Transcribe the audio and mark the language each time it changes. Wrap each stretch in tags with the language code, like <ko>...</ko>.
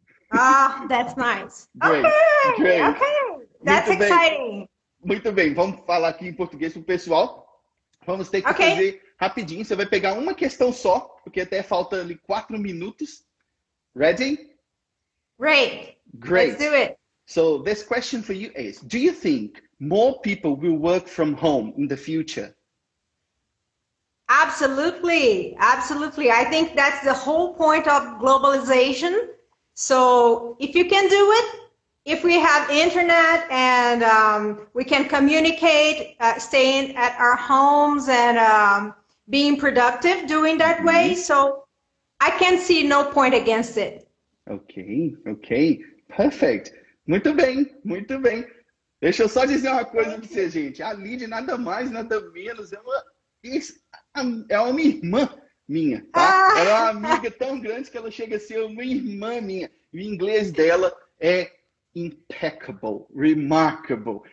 <en>Ah, that's nice. Great. Okay, that's</en> <pt>muito</pt> <en>exciting.</en> <pt>Muito bem, vamos falar aqui em português pro pessoal. Vamos ter que fazer rapidinho. Você vai pegar uma questão só, porque até falta ali 4 minutos.</pt> <en>Ready? Great. Great. Let's do it. So this question for you is, do you think more people will work from home in the future? Absolutely, absolutely. I think that's the whole point of globalization. So if you can do it, if we have internet and we can communicate, staying at our homes and being productive doing that way, so I can see no point against it. Okay, okay, perfect.</en> <pt>Muito bem, muito bem. Deixa eu só dizer uma coisa para você, gente. A Lídia, nada mais, nada menos, é uma irmã minha, tá? Ela é uma amiga tão grande que ela chega a ser uma irmã minha. O inglês dela é</pt> <en>impeccable, remarkable.</en>